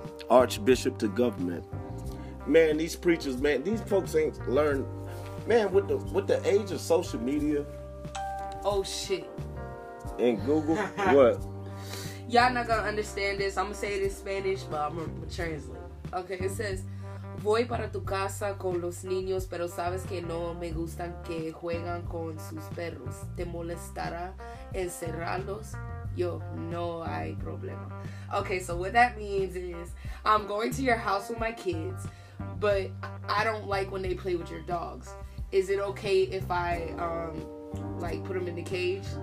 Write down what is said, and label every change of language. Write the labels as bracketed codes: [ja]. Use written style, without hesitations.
[en] Archbishop to government. Man, these preachers, man, these folks ain't learned. Man, with the age of social media. Oh, shit. And Google, what? Y'all not gonna understand this. I'm gonna say it in Spanish, but I'm gonna translate. Okay, it says, [es] voy para tu casa con los niños, pero sabes que no me gustan que juegan con sus perros. ¿Te molestará encerrarlos? Yo, no hay problema. [en] Okay, so what that means is, I'm going to your house with my kids, but I don't like when they play with your dogs. Is it okay if I, put them in the cage?